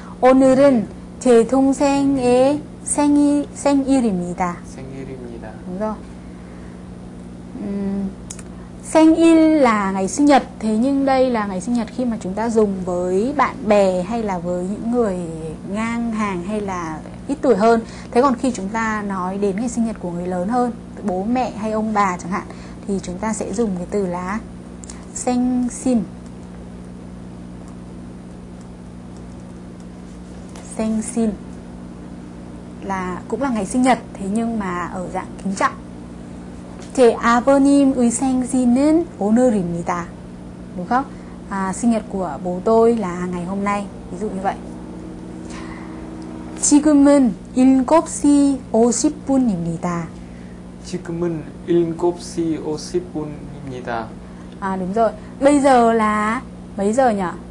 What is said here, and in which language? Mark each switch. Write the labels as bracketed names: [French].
[Korean] 오늘은 제 동생의 생일입니다. 생일입니다. [Vietnamese] Đúng rồi. 생일 là ngày sinh nhật. Thế nhưng đây là ngày sinh nhật khi mà chúng ta dùng với bạn bè hay là với những người ngang hàng hay là ít tuổi hơn. Thế còn khi chúng ta nói đến ngày sinh nhật của người lớn hơn, bố mẹ hay ông bà chẳng hạn, thì chúng ta sẽ dùng cái từ là 생신. 생신 là cũng là ngày sinh nhật, thế nhưng mà ở dạng kính trọng. [Korean] 제 아버님의 생신은 오늘입니다. [Vietnamese] Đúng không? Sinh nhật của bố tôi là ngày hôm nay. Ví dụ như vậy. [Korean] 지금은 7시 50분입니다. 지금은 7시 50분입니다. [Vietnamese] À đúng rồi. Bây giờ là mấy giờ nhỉ?